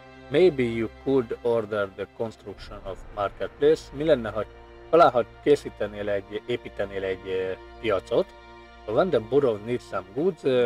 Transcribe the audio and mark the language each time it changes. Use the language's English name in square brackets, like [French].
[English] Maybe you could order the construction of marketplace. [Hungarian] Mi lenne, ha valaha készítenél egy, építenél egy piacot. Van, de [English] Burrow needs some goods.